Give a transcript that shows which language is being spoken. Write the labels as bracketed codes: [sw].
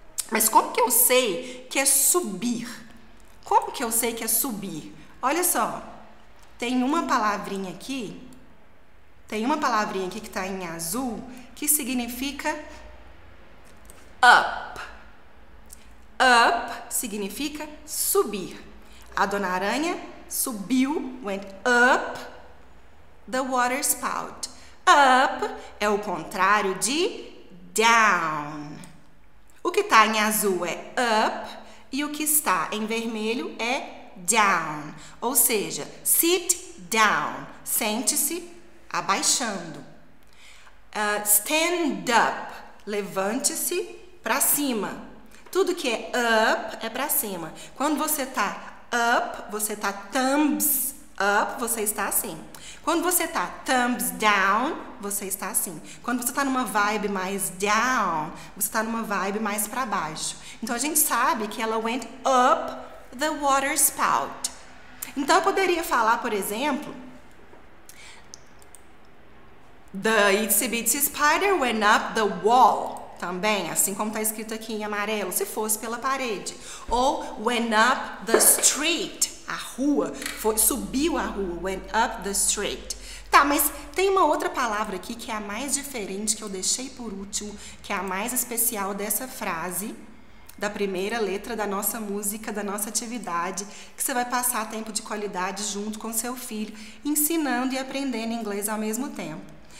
[pt] Mas como que eu sei que é subir? Como que eu sei que é subir? Olha só, tem uma palavrinha aqui. Tem uma palavrinha aqui que está em azul, que significa up. Up significa subir. A Dona Aranha subiu, [en] went up the water spout. [pt] Up é o contrário de down. O que está em azul é up e o que está em vermelho é down. Ou seja, [en] sit down, [pt] sente-se abaixando. [en] Stand up, [pt] levante-se para cima. Tudo que é up é para cima. Quando você tá up, você tá thumbs up, você está assim. Quando você tá thumbs down, você está assim. Quando você tá numa vibe mais down, você tá numa vibe mais para baixo. Então a gente sabe que ela [en] went up the water spout. [pt] Então eu poderia falar, por exemplo, [en] the itsy bitsy spider went up the wall. [pt] Também, assim como está escrito aqui em amarelo, se fosse pela parede. [en] Ou went up the street, [pt] a rua, foi, subiu a rua, [en] went up the street. [pt] Tá, mas tem uma outra palavra aqui que é a mais diferente, que eu deixei por último, que é a mais especial dessa frase, da primeira letra da nossa música, da nossa atividade, que você vai passar tempo de qualidade junto com seu filho, ensinando e aprendendo inglês ao mesmo tempo.